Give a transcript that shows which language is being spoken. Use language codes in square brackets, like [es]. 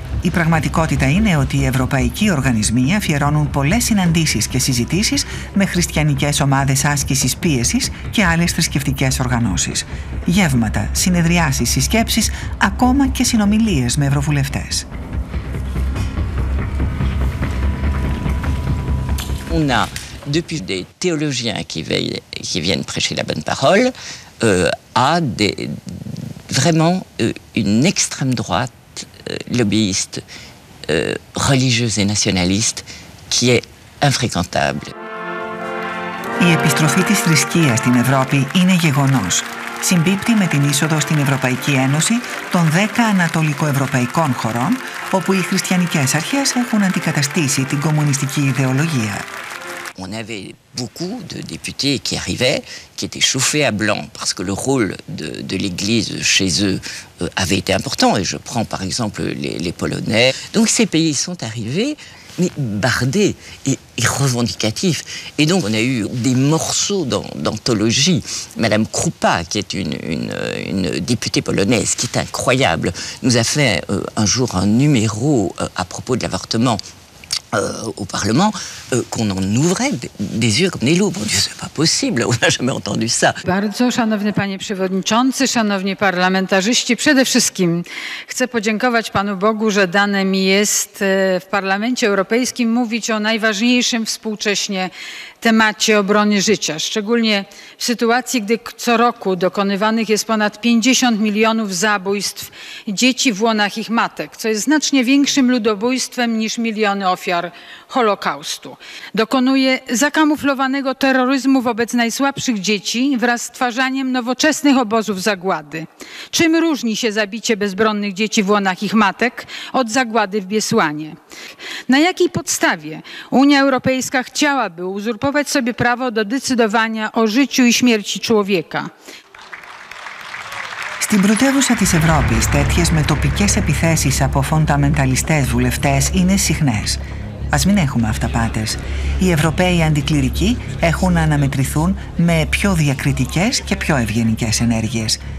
[el] Η πραγματικότητα είναι ότι οι ευρωπαϊκοί οργανισμοί αφιερώνουν πολλές συναντήσεις και συζητήσεις με χριστιανικές ομάδες άσκησης πίεσης και άλλες θρησκευτικές οργανώσεις. Γεύματα, συνεδριάσεις, συσκέψεις, ακόμα και συνομιλίες με ευρωβουλευτές. [fr] On a depuis des théologiens qui viennent prêcher la bonne parole à vraiment une extrême droite lobbyiste religieuse et nationaliste qui est infréquentable. [el] Η επιστροφή της θρησκείας στην Ευρώπη είναι γεγονός. Συμπίπτει με την είσοδο στην Ευρωπαϊκή Ένωση των 10 ανατολικοευρωπαϊκών χωρών, όπου οι χριστιανικές αρχές έχουν αντικαταστήσει την κομμουνιστική ιδεολογία. [fr] On avait beaucoup de députés qui arrivaient, qui étaient chauffés à blanc, parce que le rôle de l'Église chez eux avait été important. Et je prends par exemple les Polonais. Donc ces pays sont arrivés, mais bardés et revendicatifs. Et donc on a eu des morceaux d'anthologie. Madame Krupa, qui est une députée polonaise, qui est incroyable, nous a fait un jour un numéro à propos de l'avortement. Au Parlement, qu'on en ouvrait des yeux comme des loups. Bon Dieu, c'est pas possible, on n'a jamais entendu ça. [pl] Bardzo szanowny panie przewodniczący, szanowni parlamentarzyści, przede wszystkim chcę podziękować panu Bogu, że dane mi jest w Parlamencie Europejskim mówić o najważniejszym współcześnie temacie obrony życia, szczególnie w sytuacji, gdy co roku dokonywanych jest ponad 50 milionów zabójstw dzieci w łonach ich matek, co jest znacznie większym ludobójstwem niż miliony ofiar Holokaustu. Dokonuje zakamuflowanego terroryzmu wobec najsłabszych dzieci wraz z stwarzaniem nowoczesnych obozów zagłady. Czym różni się zabicie bezbronnych dzieci w łonach ich matek od zagłady w Biesłanie? Na jakiej podstawie Unia Europejska chciałaby uzurpować sobie prawo do decydowania o życiu i śmierci człowieka. [el] Στην πρωτεύουσα της Ευρώπης, τέτοιες με τοπικές επιθέσεις από φονταμενταλιστές βουλευτές είναι συχνές. Ας μην έχουμε αυταπάτες. Οι Ευρωπαίοι αντικληρικοί έχουν να αναμετρηθούν με πιο διακριτικές και πιο ευγενικές ενέργειες.